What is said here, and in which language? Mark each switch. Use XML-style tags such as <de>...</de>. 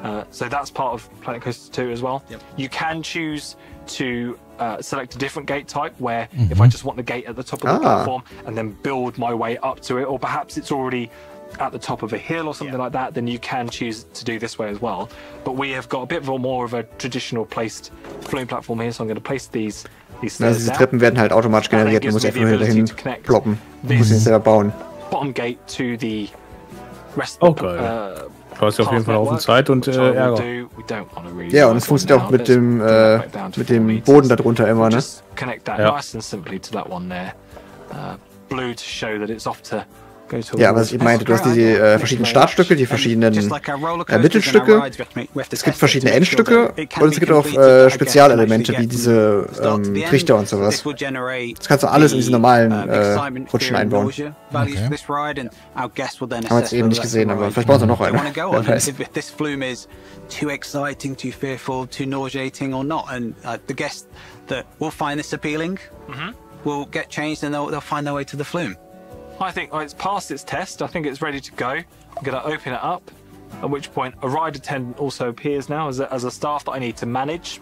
<en>So that's part of Planet Coaster 2 as well. Yep. You can choose to select a different gate type where if I just want the gate at the top of the platform and then build my way up to it, or perhaps it's already at the top of a hill or something like that, then you can choose to do this way as well. But we have got a bit more of a traditional placed flume platform here, so I'm going to place these stairs.</en> <de>Diese Treppen werden halt automatisch generiert, du musst einfach dahin ploppen. Du musst ihn selber bauen.</de> <en>Bottom gate to the rest of the</en> <de>Du hast ja auf jeden Fall auf Zeit und Ärger. Ja, und es funktioniert auch mit dem Boden darunter immer, ne? Ja, was ich meinte, du hast die verschiedenen Startstücke, die verschiedenen Mittelstücke, es gibt verschiedene Endstücke und es gibt auch Spezialelemente wie diese Trichter und sowas. Das kannst du alles in diese normalen Rutschen einbauen. Okay. Haben wir jetzt eben nicht gesehen, aber vielleicht bauen sie noch einen. Wer weiß.</de> <en>Too exciting, too fearful, too nauseating or not, and the guests that will find this appealing will get changed and they'll find their way to the flume. I think it's passed its test. I think it's ready to go. I'm going to open it up, at which point a ride attendant also appears now as a staff that I need to manage.</en>